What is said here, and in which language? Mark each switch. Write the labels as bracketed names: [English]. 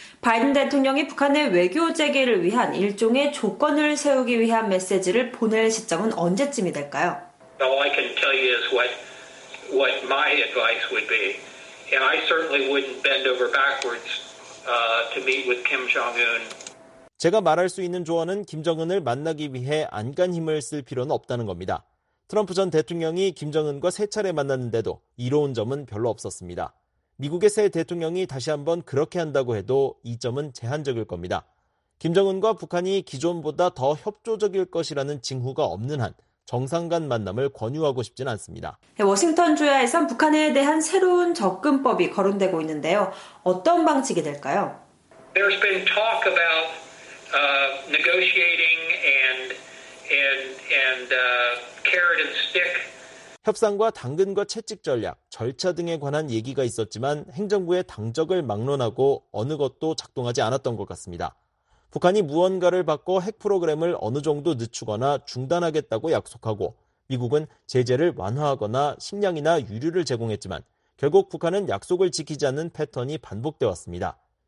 [Korean] 바이든 대통령이 북한의 외교 재개를 위한 일종의 조건을 세우기 위한 메시지를 보낼 시점은 언제쯤이 될까요? [English] All I can tell you is what my advice would be. And I certainly wouldn't bend over backwards. To meet with Kim Jong-un. [Korean] 제가 말할 수 있는 조언은 김정은을 만나기 위해 안간힘을 쓸 필요는 없다는 겁니다. 트럼프 전 대통령이 김정은과 세 차례 만났는데도 이로운 점은 별로 없었습니다. 미국의 새 대통령이 다시 한번 그렇게 한다고 해도 이 점은 제한적일 겁니다. 김정은과 북한이 기존보다 더 협조적일 것이라는 징후가 없는 한 정상 간 만남을 권유하고 싶진 않습니다. 워싱턴 주야에선 북한에 대한 새로운 접근법이 거론되고 있는데요. 어떤 방식이 될까요? [English] There's been talk about negotiating and carrot and stick. [Korean] 협상과 당근과 채찍 전략, 절차 등에 관한 얘기가 있었지만 행정부의 당적을 막론하고 어느 것도 작동하지 않았던 것 같습니다. 북한이 무언가를 받고 핵 프로그램을 어느 정도 늦추거나 중단하겠다고 약속하고 미국은 제재를 완화하거나 식량이나 유류를 제공했지만 결국 북한은 약속을 지키지 않는 패턴이 반복돼 왔습니다.